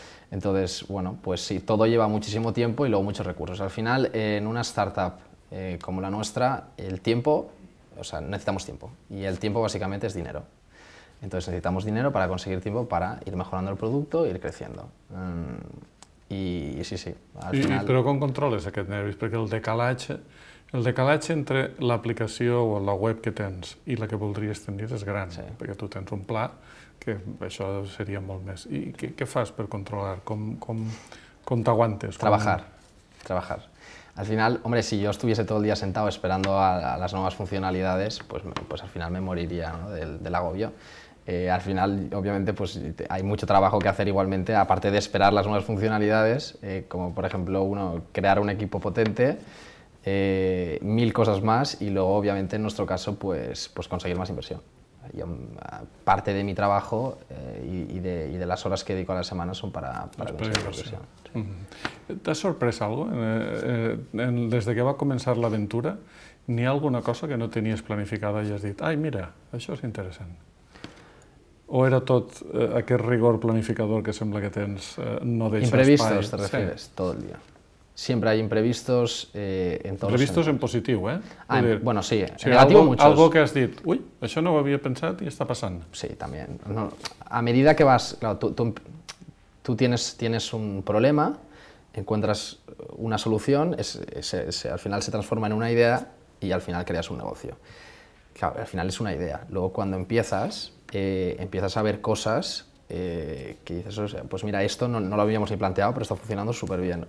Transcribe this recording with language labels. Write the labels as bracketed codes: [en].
[es] Entonces, bueno, pues sí, todo lleva muchísimo tiempo y luego muchos recursos. Al final, en una startup como la nuestra, el tiempo, o sea, necesitamos tiempo. Y el tiempo básicamente es dinero. Entonces necesitamos dinero para conseguir tiempo para ir mejorando el producto e ir creciendo. Y al final... Pero con controles, [ca] aquest nervis, [es] porque [ca] el decalatge entre l'aplicació o la web que tens i la que voldries tenir és gran, sí. Perquè tu tens un pla que això seria molt més. I què fas per controlar? Com t'aguantes? [es] Trabajar. Al final, hombre, si yo estuviese todo el día sentado esperando a las nuevas funcionalidades, pues al final me moriría, ¿no? del agobio. Al final, obviamente, pues hay mucho trabajo que hacer igualmente, aparte de esperar las nuevas funcionalidades, como por ejemplo, uno, crear un equipo potente, mil cosas más y luego obviamente en nuestro caso pues conseguir más inversión. Yo, parte de mi trabajo y de las horas que dedico a la semana son para conseguir inversión. [ca] ¿T'has sorprès algo? Des de que va començar l'aventura, n'hi ha alguna cosa que no tenies planificada i has dit, ai mira, això és interessant. O era tot aquest rigor planificador que sembla que tens, no deixes imprevistos, espai. [es] Imprevistos, te refieres, sí. Todo el día. Siempre hay imprevistos en todos. Imprevistos en positivo, ¿eh? Bueno, sí, en negativo muchos. [ca] Algo que has dit, uy, això no ho havia pensat i està passant. Sí, també. [es] No, a medida que vas, claro, tú tienes un problema, encuentras una solución, al final se transforma en una idea y al final creas un negocio. Claro, al final es una idea. Luego cuando empiezas, empiezas a ver cosas que dices, o sea, pues mira, esto no lo habíamos ni planteado, pero está funcionando súper bien.